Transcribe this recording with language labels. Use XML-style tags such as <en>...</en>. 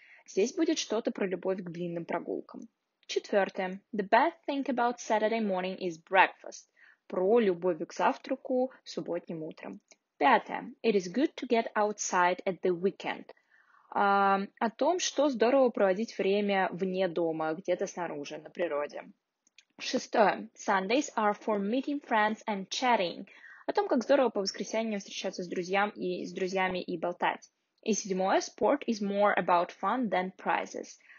<ru>Здесь будет что-то про любовь к длинным прогулкам. Четвертое.</ru> <en>The best thing about Saturday morning is breakfast.</en> <ru>Про любовь к завтраку субботним утром. Пятое.</ru> <en>It is good to get outside at the weekend.</en> <ru>О том, что здорово проводить время вне дома, где-то снаружи, на природе. Шестое.</ru> <en>Sundays are for meeting friends and chatting.</en> <ru>О том, как здорово по воскресеньям встречаться с друзьями и болтать. И седьмое.</ru> <en>Sport is more about fun than prizes.</en>